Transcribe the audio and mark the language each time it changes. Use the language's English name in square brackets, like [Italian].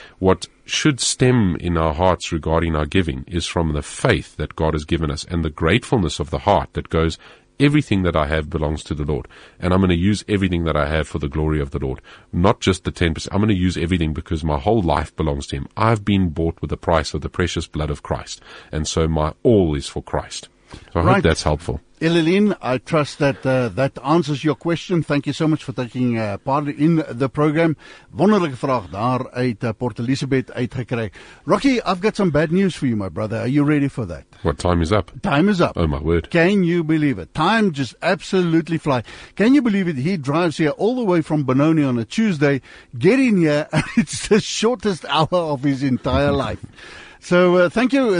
[English] What should stem in our hearts regarding our giving is from the faith that God has given us and the gratefulness of the heart that goes, everything that I have belongs to the Lord, and I'm going to use everything that I have for the glory of the Lord, not just the 10%. I'm going to use everything because my whole life belongs to him. I've been bought with the price of the precious blood of Christ, and so my all is for Christ. So I hope that's helpful. Ilalin, I trust that that answers your question. Thank you so much for taking part in the program. [Afrikaans] Wonderlike vraag daar uit Port Elizabeth uitgekry. [English] Rocky, I've got some bad news for you, my brother. Are you ready for that? What, time is up? Time is up. Oh, my word. Can you believe it? Time just absolutely fly. Can you believe it? He drives here all the way from Benoni on a Tuesday, get in here, and it's the shortest hour of his entire life. So thank you.